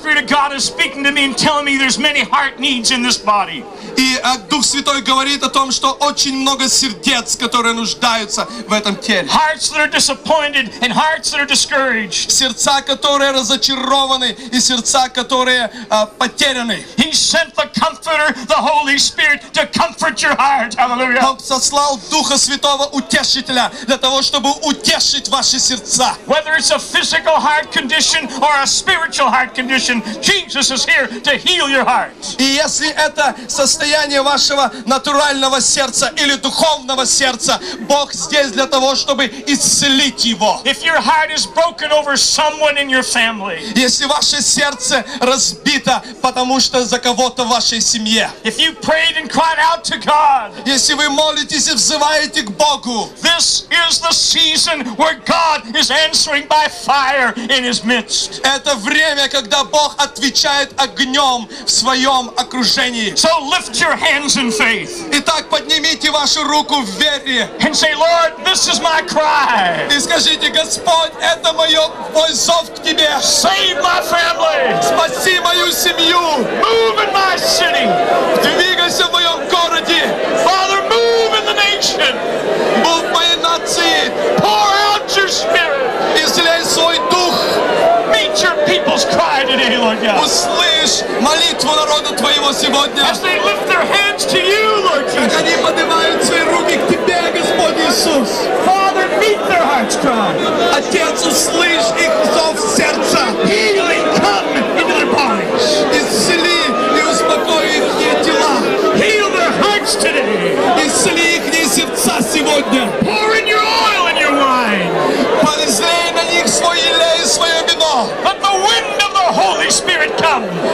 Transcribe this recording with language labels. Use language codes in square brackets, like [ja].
[en] The Spirit of God is speaking to me and telling me there's many heart needs in this body. [ru] И Дух Святой говорит о том, что очень много сердец, которые нуждаются в этом теле. [en] Hearts that are disappointed and hearts that are discouraged. [ru] Сердца, которые разочарованы, и сердца, которые потеряны. [en] He sent the Comforter, the Holy Spirit, to comfort your heart. Hallelujah. [ru] Он сослал Духа Святого Утешителя для того, чтобы утешить ваши сердца. [en] Whether it's a physical heart condition or a spiritual heart condition, Jesus is here to heal your heart. [ru] И если это состояние вашего натурального сердца или духовного сердца, Бог здесь для того, чтобы исцелить его. [en] If your heart is broken over someone in your family. [ru] Если ваше сердце разбито, потому что за кого-то в вашей семье. [en] If you prayed and cried out to God. [ru] Если вы молитесь и взываете к Богу. [en] This is the season where God is answering by fire in his midst. [ru] Это время, когда Бог отвечает огнем в своем окружении. [en] So lift your hands in faith. [ru] Итак, поднимите вашу руку в вере. [en] And say, Lord, this is my cry. [ru] И скажите, Господь, это мой зов к Тебе. [en] Save my family. [ru] Спаси мою семью. [en] Move in my city. [ru] Двигайся в моем городе. [en] Father, move in the nation. [ru] Будь в моей нации. [en] Pour out your spirit. [ru] Излей свой дух. [en] Meet your people's cry today, Lord God. [ru] Услышь молитву народа Твоего сегодня. [en] As they lift their hands to you, Lord Jesus. [ru] Как они поднимают свои руки к Тебе, Господь Иисус. [en] Father, meet their hearts cry. [ru] Отец, услышь их зов сердца. [en] Healing, come into their bodies. [ru] Исцели и успокой их тела. [en] Heal their hearts today. [ru] Исцели их сердца сегодня. [en] Pour in your oil and your wine. [ru] Полезай на них свой елей и свое вино. [en] Let the wind of the Holy Spirit come.